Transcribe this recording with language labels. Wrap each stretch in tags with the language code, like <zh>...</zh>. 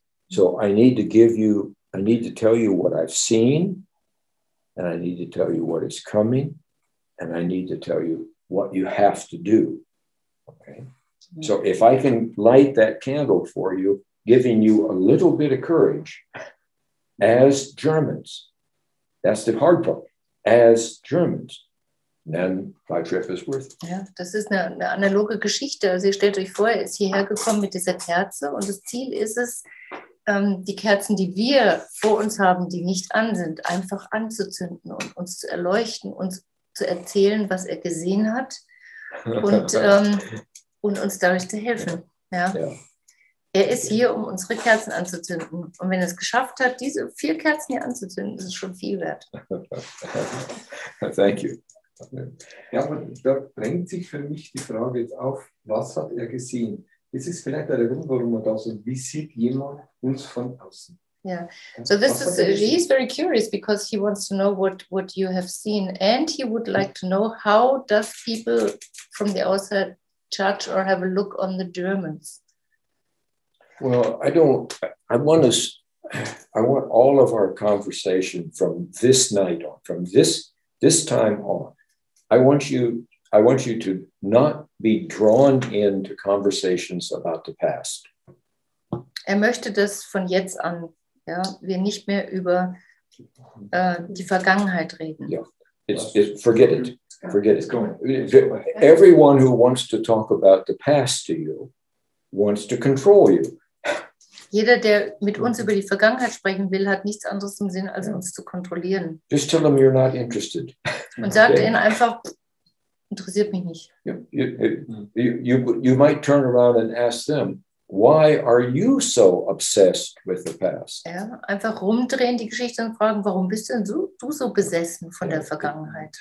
<en>So I need to tell you what I've seen, and I need to tell you what is coming, and I need to tell you what you have to do, okay? So if I can light that candle for you, giving you a little bit of courage as Germans, that's the hard part, as Germans, then my trip is worth it.</en> <de>Ja, das ist eine analoge Geschichte. Also ihr stellt euch vor, er ist hierher gekommen mit dieser Kerze, und das Ziel ist es, die Kerzen, die wir vor uns haben, die nicht an sind, einfach anzuzünden und uns zu erleuchten, uns zu erzählen, was er gesehen hat, und uns dadurch zu helfen. Ja. Ja. Er ist hier, um unsere Kerzen anzuzünden. Und wenn er es geschafft hat, diese vier Kerzen hier anzuzünden, ist es schon viel wert.</de> <en>Thank you.</en> <de>Ja, aber da drängt sich für mich die Frage jetzt auf, was hat er gesehen? Das ist vielleicht der Grund, warum wir da sind. Wie sieht jemand uns von außen?</de> <en>Yeah. So this is, he is very curious because he wants to know what you have seen, and he would like to know how does people from the outside judge or have a look on the Germans? Well, I want all of our conversation from this night on, from this time on. I want you to not be drawn into conversations about the past.</en> <de>Er möchte, dass von jetzt an, ja, wir nicht mehr über die Vergangenheit reden.</de> <en>Yeah. Forget it. Everyone who wants to talk about the past to you wants to control you.</en> <de>Jeder, der mit uns über die Vergangenheit sprechen will, hat nichts anderes im Sinn, als uns zu kontrollieren.</de> <en>Just tell them you're not interested.</en> <de>Und sagt ihnen einfach, interessiert mich nicht.</de> <en>You might turn around and ask them, why are you so obsessed with the past?</en> <de>Ja, einfach rumdrehen die Geschichte und fragen, warum bist du denn so besessen von der Vergangenheit?</de>